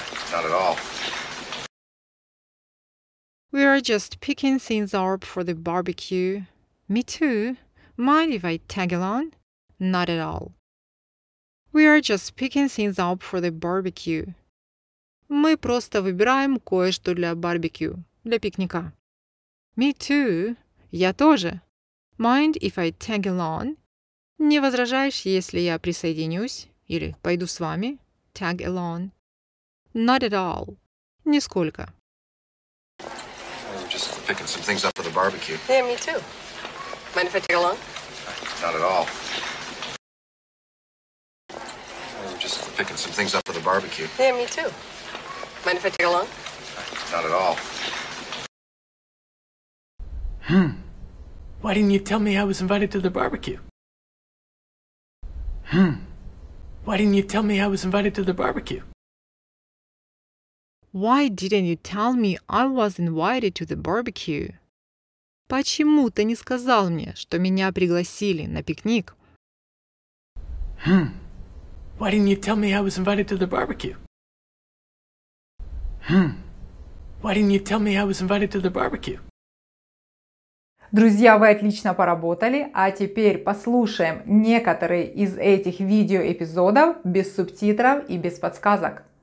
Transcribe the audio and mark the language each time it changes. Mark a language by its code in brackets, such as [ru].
[en] Not at all. We are just picking things up for the barbecue. Me too. Mind if I tag along? Not at all. We are just picking things up for the barbecue. [ru] Мы просто выбираем кое-что для барбекю, для пикника. [en] Me too. [ru] Я тоже. [en] Mind if I tag along? [ru] Не возражаешь, если я присоединюсь или пойду с вами? [en] Tag along. Not at all. [ru] Нисколько. [en] Just picking some things up for the barbecue. Yeah, me too. Mind if I take along? Not at all. Just picking some things up for the barbecue. Yeah, me too. Mind if I take along? Not at all. Why didn't you tell me I was invited to the barbecue? Why didn't you tell me I was invited to the barbecue? Why didn't you tell me I was invited to the barbecue? [ru] Почему ты не сказал мне, что меня пригласили на пикник? [en] Why didn't you tell me I was invited to the barbecue? Why didn't you tell me I was invited to the barbecue? [ru] Друзья, вы отлично поработали, а теперь послушаем некоторые из этих видеоэпизодов без субтитров и без подсказок.